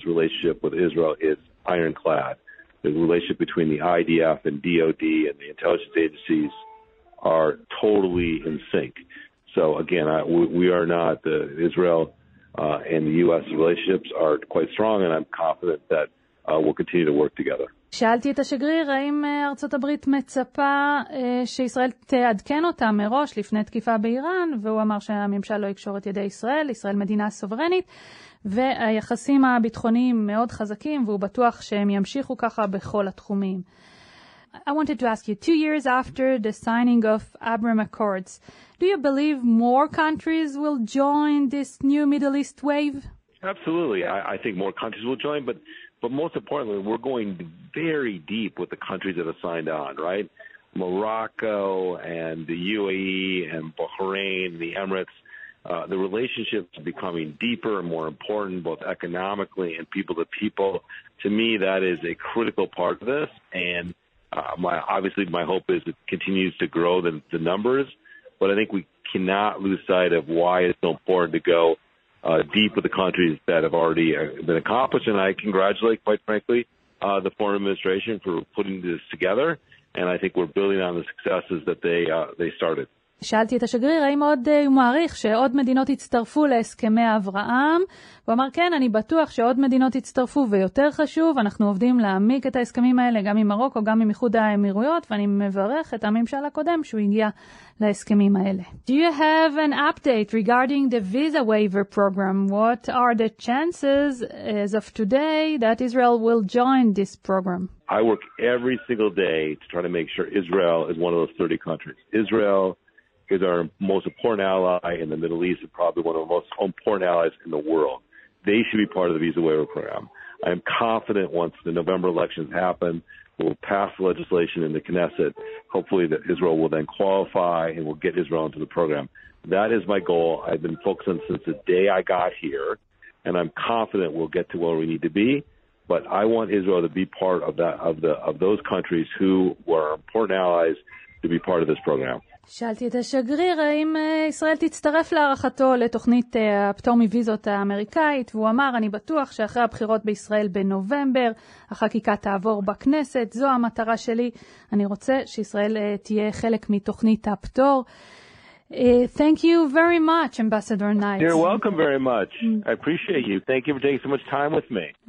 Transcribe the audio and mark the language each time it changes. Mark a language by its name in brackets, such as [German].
[English] relationship with Israel is ironclad. The relationship between the IDF and DOD and the intelligence agencies are totally in sync. So again, we are not the Israel and the US relationships are quite strong and I'm confident that we'll continue to work together. [Hebrew] שאלתי את השגריר, האם ארצות הברית מצפה שישראל תעדכן אותה מראש לפני תקיפה באיראן, והוא אמר שהממשל לא יקשור את ידי ישראל, ישראל מדינה סוברנית, והיחסים הביטחוניים מאוד חזקים, והוא בטוח שהם ימשיכו ככה בכל התחומים. [English] I wanted to ask you, 2 years after the signing of Abraham Accords, do you believe more countries will join this new Middle East wave? Absolutely. I think more countries will join, but most importantly, we're going very deep with the countries that have signed on, right? Morocco and the UAE and Bahrain, the Emirates. The relationships are becoming deeper and more important, both economically and people to people. To me, that is a critical part of this, and my hope is it continues to grow the numbers, but I think we cannot lose sight of why it's so important to go deep with the countries that have already been accomplished. And I congratulate, quite frankly, the foreign administration for putting this together. And I think we're building on the successes that they started. [Hebrew] שאלתי את השגריר, האם עוד הוא מעריך שעוד מדינות יצטרפו להסכמי אברהם? הוא אמר, כן, אני בטוח שעוד מדינות יצטרפו, ויותר חשוב, אנחנו עובדים להעמיק את ההסכמים האלה, גם עם מרוקו, גם עם איחוד האמירויות, ואני מברך את הממשל הקודם שהוא הגיע להסכמים האלה. [English] Do you have an update regarding the visa waiver program? What are the chances as of today that Israel will join this program? I work every single day to try to make sure Israel is one of those 30 countries. Israel is our most important ally in the Middle East and probably one of the most important allies in the world. They should be part of the visa waiver program. I am confident once the November elections happen, we'll pass the legislation in the Knesset, hopefully that Israel will then qualify and we'll get Israel into the program. That is my goal. I've been focusing since the day I got here, and I'm confident we'll get to where we need to be. But I want Israel to be part of that, of those countries who were important allies to be part of this program. [Hebrew] שאלתי את השגריר האם ישראל תצטרף להערכתו לתוכנית הפטור מויזות האמריקאית, והוא אמר, אני בטוח שאחרי הבחירות בישראל בנובמבר, החקיקה תעבור בכנסת, זו המטרה שלי, אני רוצה שישראל תהיה חלק מתוכנית הפטור. [English] Thank you very much, Ambassador Knight. You're welcome very much. I appreciate you. Thank you for taking so much time with me.